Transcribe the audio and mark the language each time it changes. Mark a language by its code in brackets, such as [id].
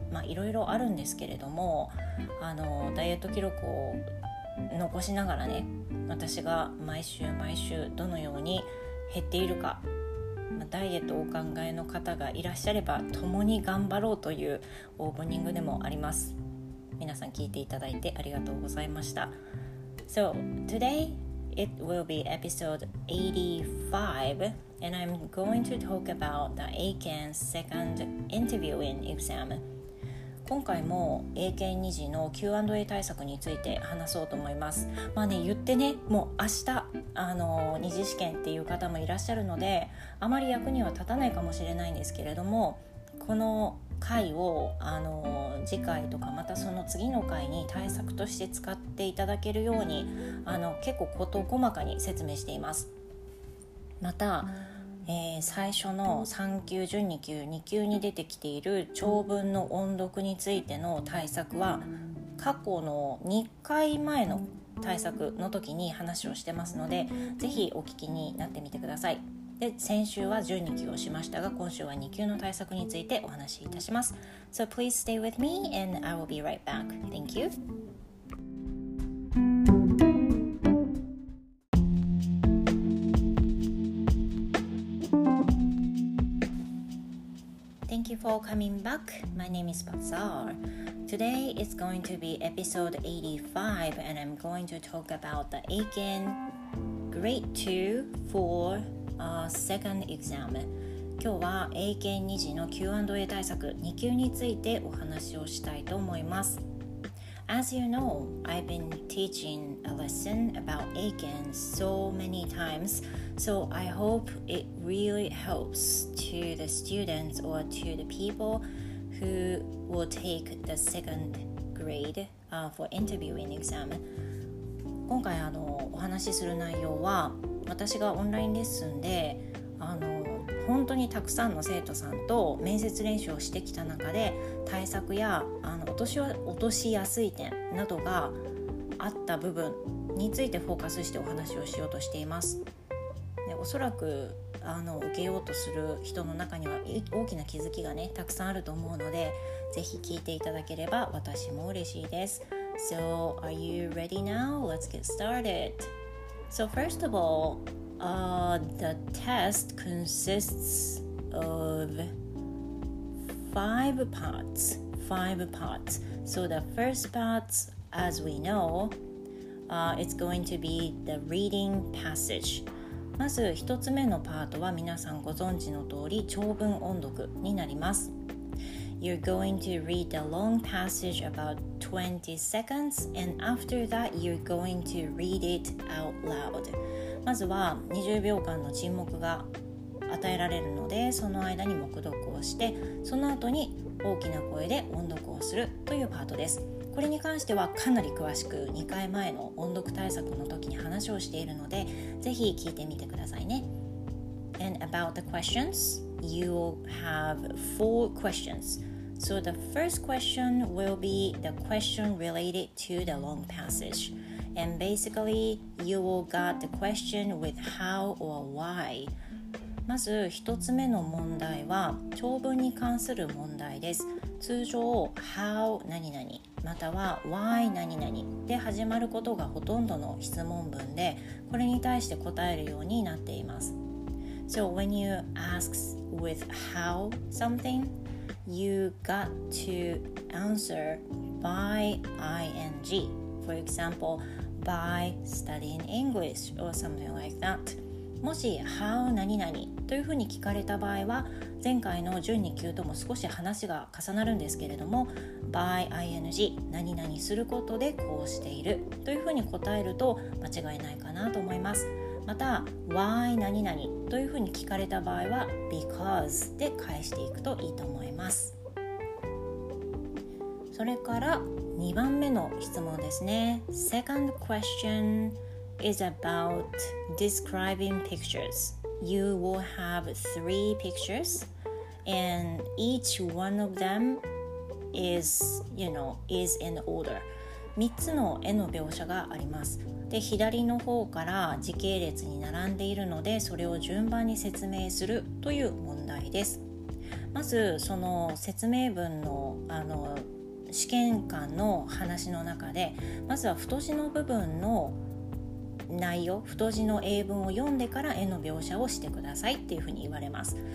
[ja] まあいろいろあるんですけれども、あのダイエット記録を残しながらね、私が毎週毎週どのように減っているか、まあ、ダイエットをお考えの方がいらっしゃれば共に頑張ろうというオープニングでもあります。皆さん聞いていただいてありがとうございました。 [en] So todayIt will be episode 85, and I'm going to talk about the Aiken second interviewing exam. [ja] 今回も英検2次の Q&A 対策について話そうと思います。まあね、言ってね、もう明日二次試験っていう方もいらっしゃるので、あまり役には立たないかもしれないんですけれども、この回を次回とかまたその次の回に対策として使っていただけるように結構事細かに説明しています。また最初の3級、準2級、2級に出てきている長文の音読についての対策は過去の2回前の対策の時に話をしてますので、ぜひお聞きになってみてください。で、先週は準2級をしましたが、今週は2級の対策についてお話しいたします。 [en] So please stay with me and I will be right back. Thank you. Thank you for coming back. My name is Bazaar. Today is going to be episode 85 and I'm going to talk about the Eiken grade 2 for second exam. [ja] 今日は Eiken 2次の Q&A 対策2級についてお話をしたいと思います。 [en] As you know, I've been teaching a lesson about Eiken so many times, so I hope it really helps to the students or to the people who will take the second grade for interviewing exam. [ja] 今回お話しする内容は、私がオンラインレッスンで本当にたくさんの生徒さんと面接練習をしてきた中で、対策や落としやすい点などがあった部分についてフォーカスしてお話をしようとしています。で、おそらく受けようとする人の中には大きな気づきがね、たくさんあると思うので、ぜひ聞いていただければ私も嬉しいです。 [en] So are you ready now? Let's get started. So first of allthe test consists of five parts. So the first part, as we know, it's going to be the reading passage. [ja] まず一つ目のパートは皆さんご存知の通り長文音読になります。 [en] You're going to read the long passage about 20 seconds, and after that, you're going to read it out loud. [ja] まずは20秒間の沈黙が与えられるので、その間に黙読をして、その後に大きな声で音読をするというパートです。これに関してはかなり詳しく2回前の音読対策の時に話をしているので、ぜひ聞いてみてくださいね。 [en] And about the questions, you will have 4 questions. So the first question will be the question related to the long passageAnd basically, you will got the question with how or why. [ja] まず一つ目の問題は長文に関する問題です。通常、how 何々または why 何々で始まることがほとんどの質問文で、これに対して答えるようになっています。 [en] So when you ask with how something, you got to answer by ing. For example,by studying English or something like that. [ja] もし how 何々というふうに聞かれた場合は、前回の準2級とも少し話が重なるんですけれども、 by ing 何々することでこうしているというふうに答えると間違いないかなと思います。また why 何々というふうに聞かれた場合は because で返していくといいと思います。それから2番目の質問ですね。 [en] Second question is about describing pictures. You will have 3 pictures and each one of them is, you know, is in order. [ja] 3つの絵の描写があります。で、左の方から時系列に並んでいるので、それを順番に説明するという問題です。まずその説明文の試験官の話の中で、まずは太字の部分の内容、太字の英文を読んでから絵の描写をしてくださいっていうふうに言われます。